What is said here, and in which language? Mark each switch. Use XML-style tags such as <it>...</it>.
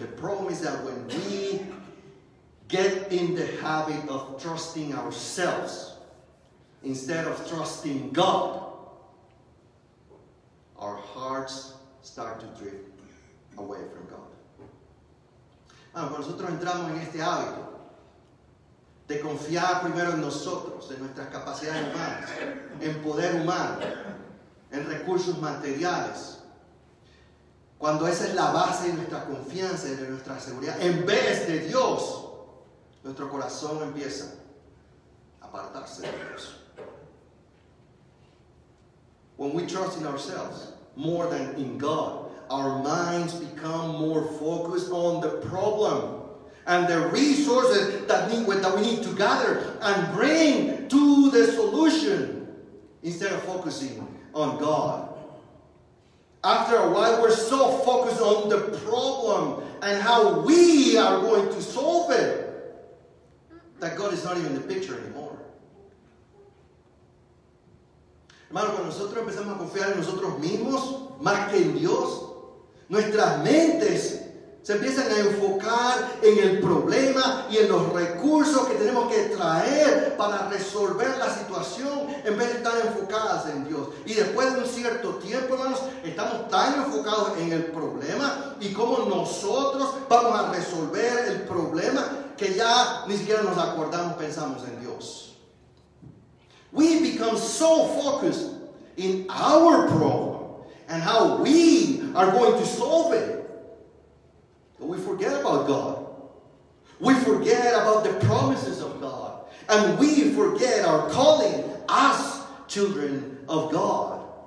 <en>The problem is that when we get in the habit of trusting ourselves instead of trusting God, our hearts start to drift away from God.</en> <es>Bueno, cuando nosotros entramos en este hábito de confiar primero en nosotros, en nuestras capacidades humanas, en poder humano, en recursos materiales, cuando esa es la base de nuestra confianza y de nuestra seguridad, en vez de Dios, nuestro corazón empieza a apartarse de Dios.</es> <en>When we trust in ourselves more than in God, our minds become more focused on the problem and the resources that we need to gather and bring to the solution instead of focusing on God. After a while, we're so focused on the problem and how we are going to solve it that God is not even in the picture anymore.</en> <es>Hermano, cuando nosotros empezamos a confiar en nosotros mismos más que en Dios, nuestras mentes se empiezan a enfocar en el problema y en los recursos que tenemos que traer para resolver la situación en vez de estar enfocadas en Dios. Y después de un cierto tiempo, hermanos, estamos tan enfocados en el problema y cómo nosotros vamos a resolver el problema que ya ni siquiera nos acordamos, pensamos en Dios.</es> <en>We become so focused in our problem and how we are going to solve it. But we forget about God. We forget about the promises of God. And we forget our calling as children of God.</en>